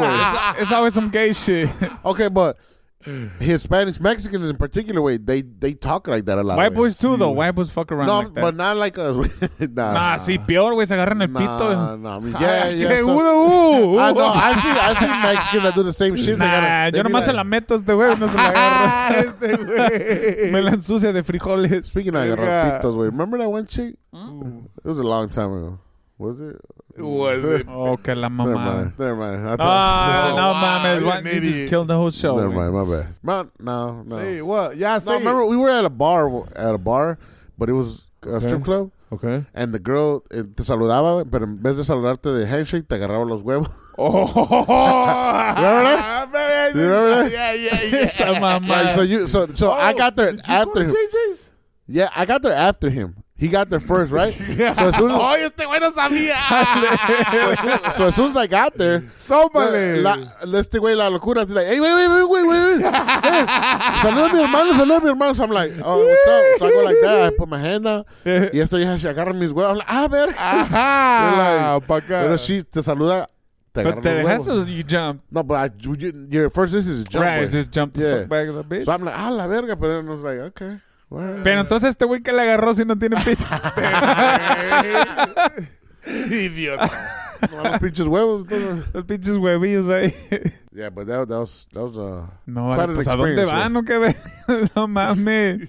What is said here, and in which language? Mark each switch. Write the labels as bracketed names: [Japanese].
[English] It's always some gay shit. Okay, but Hispanics, Mexicans in particular, way they talk like that a lot. White boys too, though. White boys fuck around like that. But not like us. Nah. [Spanish] Si peor, güey, se agarran el pito. [English] Yeah. I see Mexicans that do the same shit. [Spanish] Yo nomás se la meto este güey, no se la agarra. Me la ensucia de frijoles. [English] Speaking of [Spanish] agarrar pitos, [English] güey, remember that one chick? It was a long time ago. Was it? Was it? [Spanish] Oh, que la mamá. [English] Never mind. [Spanish] No, mames. [English] You just killed the whole show. Never mind, my bad. No. See, what? Yeah, see. No, remember, we were at a bar, but it was a strip club. Okay. And the girl [Spanish] te saludaba, pero en vez de saludarte de handshake, te agarraba los huevos. [English] Oh. Remember that? Yeah. [Spanish] Esa mamá. [English] Right, I got there after him. Yeah, I got there after him. He got there first, right? Yeah. So as soon as I got there, somebody, [Spanish] este güey la locura, [English] he's like, hey, wait. [Spanish] Saluda a mi hermano. [English] So I'm like, oh, what's up? So I go like that, I put my hand out, [Spanish] y esta vieja se agarra mis huevos. [English] I'm like, ver. [Spanish] Ajá. Pa' acá. Pero si te saluda, te agarra los huevos. [English] But the you jump. No, but your first this is a jump. Right, just jump the fuck back of the bitch. So I'm like, [Spanish] la verga. [English] But then I was like, okay. [Spanish] Bueno. Pero entonces este güey que le agarró si no tiene pito. Idiota. Los pinches huevillos ahí. [English] Yeah, but that was [Spanish] no, vale, pues, ¿a dónde van? ¿No? ¿Qué ve? No mames.